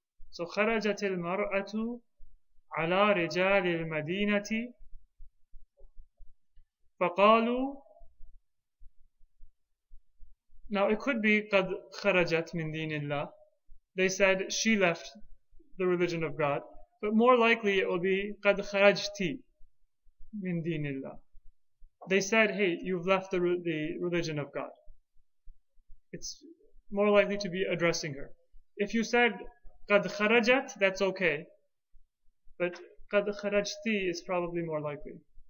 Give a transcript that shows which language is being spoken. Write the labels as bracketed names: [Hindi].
[Arabic] So kharajatil mar'atu ala rijalil madinati فَقَالُوا. [English] Now it could be [Arabic] قَدْ خَرَجَتْ مِنْ دِينِ اللَّهِ. [English] They said she left the religion of God. But more likely it will be [Arabic] قَدْ خَرَجْتِ مِنْ دِينِ اللَّهِ. [English] They said, hey, you've left the religion of God. It's more likely to be addressing her. If you said [Arabic] قَدْ خَرَجَتْ, [English] that's okay. But [Arabic] قَدْ خَرَجْتِ [English] is probably more likely.